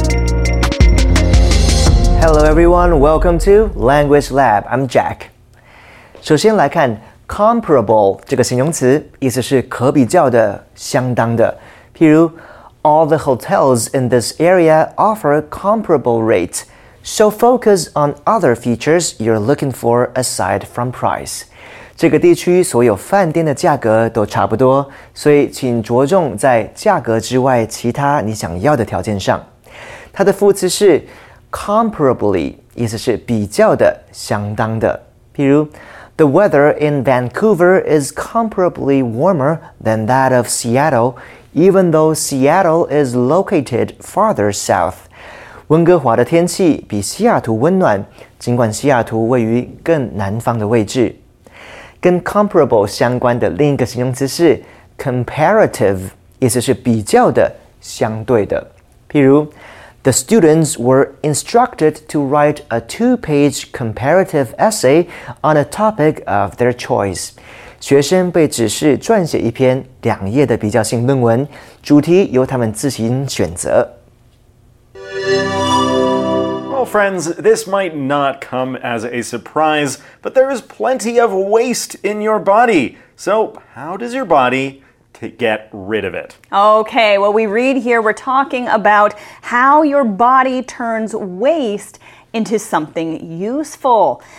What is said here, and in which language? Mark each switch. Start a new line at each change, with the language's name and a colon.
English: Hello everyone, welcome to Language Lab. I'm Jack.
Chinese: 首先来看 comparable 这个形容词，意思是可比较的，相当的。譬如
English: All the hotels in this area offer comparable rates. So focus on other features you're looking for aside from price.
Chinese: 这个地区所有饭店的价格都差不多，所以请着重在价格之外其他你想要的条件上。它的副词是Comparably, 意思是比较的，相当的。譬如
English: The weather in Vancouver is comparably warmer than that of Seattle, even though Seattle is located farther south.
Chinese: 温哥华的天气比西雅图温暖，尽管西雅图位于更南方的位置。跟 comparable 相关的另一个形容词是 comparative, 意思是比较的，相对的。譬如
English: The students were instructed to write a 2-page comparative essay on a topic of their choice.
Chinese: 学生被指示撰写一篇两页的比较性论文，主题由他们自行选择。
English: Well, friends, this might not come as a surprise, but there is plenty of waste in your body. So, how does your body... to get rid of it. Okay, what we read here, we're talking about how your body turns waste into something useful.